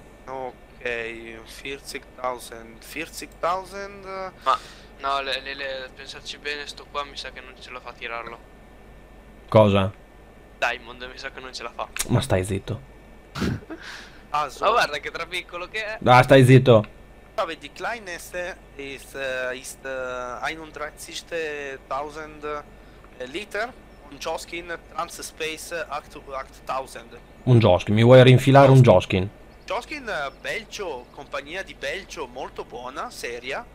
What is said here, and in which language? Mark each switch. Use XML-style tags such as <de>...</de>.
<it>Ok, 40,000. Ma, no, pensarci bene, sto qua mi sa che non ce la fa a tirarlo. Cosa? Diamond, mi sa che non ce la fa. Ma stai zitto. Ah, so. Ma guarda che trapiccolo che è. Ah, stai zitto.</it> <de>Aber die kleinste ist, ist 31.000 Liter.</de> <it>Un Joskin Trans Space 8000. Un Joskin, mi vuoi rinfilare un Joskin? Joskin Belgio, compagnia di Belgio, molto buona, seria.</it>